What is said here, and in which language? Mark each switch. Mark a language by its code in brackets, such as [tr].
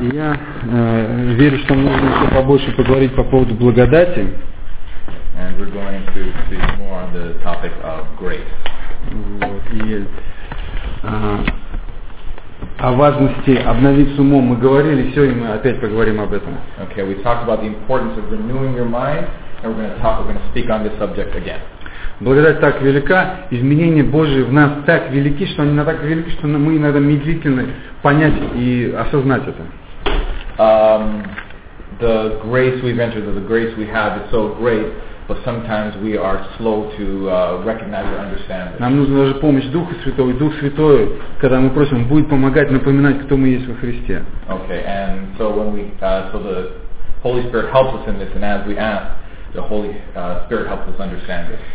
[ru] И я верю, что мы можем еще побольше поговорить по поводу благодати. [en] And we're going to speak more on the topic of grace. [ru] Вот. И о важности обновить умом мы говорили, все, и мы опять поговорим об этом. [en] Okay, we talked about the importance of renewing your mind, and we're going to talk, we're going to speak on this subject again. [ru] Благодать так велика, изменения Божьи в нас так велики, что они так велики, что мы иногда медлительны понять и осознать это. [en] The grace we've entered, the grace we have is so great, but sometimes we are slow to recognize or understand it. [ru] Нам нужна даже помощь Духа Святого, и Дух Святой, когда мы просим, будет помогать, напоминать, кто мы есть во Христе. [en] Okay, and so when we, so the Holy Spirit helps us in this, and as we ask, the Holy Spirit helps us understand it.